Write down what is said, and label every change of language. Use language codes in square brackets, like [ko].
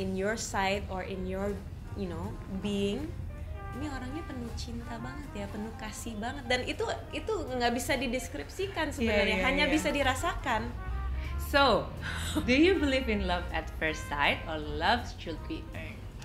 [en] in your side or in your, you know, being. [id] Ini orangnya penuh cinta banget ya, penuh kasih banget, dan itu nggak bisa dideskripsikan sebenarnya, yeah, yeah, hanya yeah, bisa dirasakan. [en] So, do you believe in love at first sight or love should be earned?